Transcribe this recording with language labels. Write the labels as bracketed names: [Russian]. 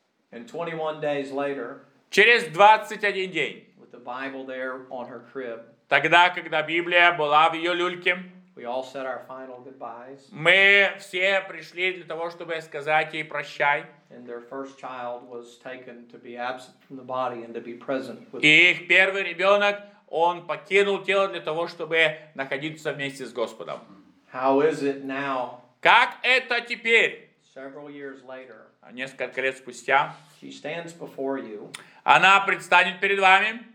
[English] And 21 days later. [Russian] Через 21 день. [English] With the Bible there on her crib. [Russian] Тогда, когда Библия была в ее люльке. [English] We all said our final goodbyes. [Russian] Мы все пришли для того, чтобы сказать ей прощай. [English] And their first child was taken to be absent from the body and to be present with. [Russian] И их первый ребенок, он покинул тело для того, чтобы находиться вместе с Господом. [English] How is it now? [Russian] Как это теперь? [English] Several years later. [Russian] Несколько лет спустя. [English] She stands before you. [Russian] Она предстанет перед вами.